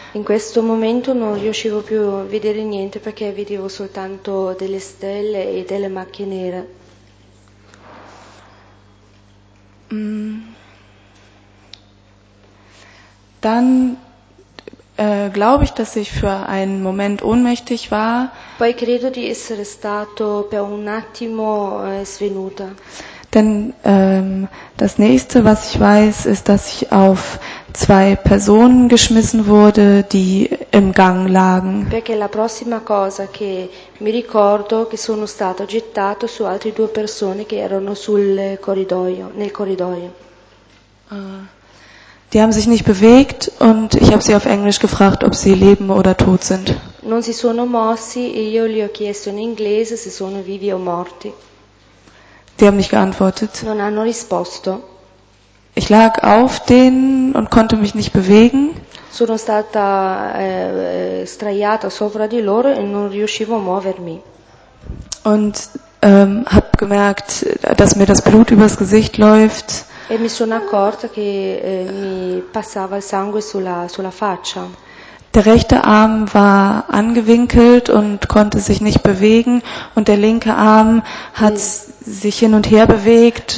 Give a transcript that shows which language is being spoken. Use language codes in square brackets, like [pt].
[it] In questo momento non riuscivo più a vedere niente perché vedevo soltanto delle stelle e delle macchie nere. [de] Dann glaube ich, dass ich für einen Moment ohnmächtig war. [it] Poi credo di essere stato per un attimo svenuta. [de] Denn das nächste, was ich weiß, ist, dass ich auf zwei Personen geschmissen wurde, die im Gang lagen. [it] Perché la prossima cosa che mi ricordo che sono stato gettato su altre due persone che erano nel corridoio. [de] Die haben sich nicht bewegt und ich habe sie auf Englisch gefragt, ob sie leben oder tot sind. [it] Non si sono mossi e io gli ho chiesto in inglese se sono vivi o morti. [de] Die haben nicht geantwortet. [it] Non hanno risposto. [de] Ich lag auf denen und konnte mich nicht bewegen. [it] Sono stata sdraiata sopra di loro e non riuscivo a muovermi. [de] Und hab gemerkt, dass mir das Blut übers Gesicht läuft. [it] E mi sono accorta che mi passava il sangue sulla faccia. [de] Der rechte Arm war angewinkelt und konnte sich nicht bewegen und der linke Arm hat sich hin und her bewegt.